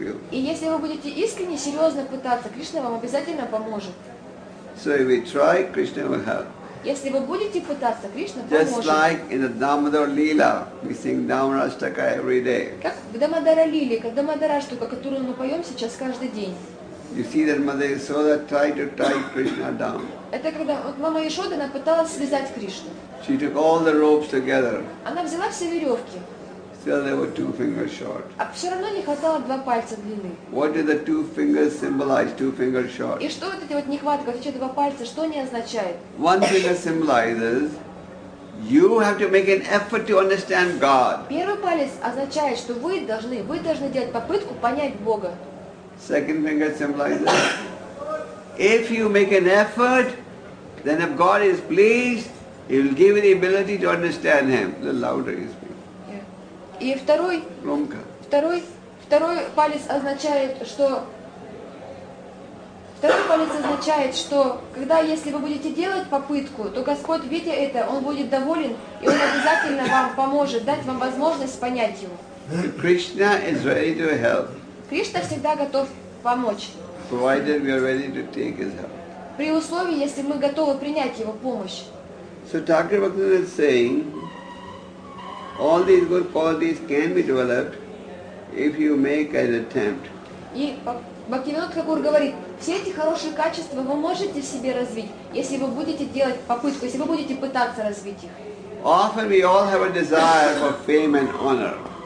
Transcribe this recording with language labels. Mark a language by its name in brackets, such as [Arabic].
[Russian] И если вы будете искренне, серьезно пытаться, Кришна вам обязательно поможет. [English] So if we try, Krishna will help. [Russian] Если вы будете пытаться, Кришна [English] just [Russian] поможет. [English] Like in the Damodar Lila, we sing Damarashtaka every day. [Russian] Как в Дамодара Лиле, как Дамодараштука, которую мы поем сейчас каждый день. [English] You see that Mother Yashoda tried to tie Krishna down. [Russian] Это когда вот мама Яшода, она пыталась связать Кришну. [English] She took all the ropes together. [Russian] Она взяла все веревки. [English] Still there were two fingers short. [Russian] А все равно не хватало два пальца длины. [English] What did the two fingers symbolize? Two fingers short. [Russian] И что вот эти вот нехватка, эти два пальца, что они означают? [English] One finger symbolizes you have to make an effort to understand God. [Russian] Первый палец означает, что вы должны делать попытку понять Бога. [English] Second finger symbolizes if you make an effort, then if God is pleased, He will give you the ability to understand Him. The louder you speak. Yeah. [Russian] И второй. Громко. Второй палец означает, что. Второй палец означает, что когда если вы будете делать попытку, то Господь, видя это, Он будет доволен и Он обязательно вам поможет, дать вам возможность понять Его. [English] Krishna is ready to help. [Russian] Кришна всегда готов помочь. [English] Provided we are ready to take His help. [Russian] При условии, если мы готовы принять Его помощь. [English] So Thakur Bhaktivinoda is saying, all these good qualities can be developed if you make an attempt. [Russian] И Бхактивинода Тхакур говорит, все эти хорошие качества вы можете в себе развить, если вы будете делать попытку, если вы будете пытаться развить их. [English] Often we all have a desire for fame and honor.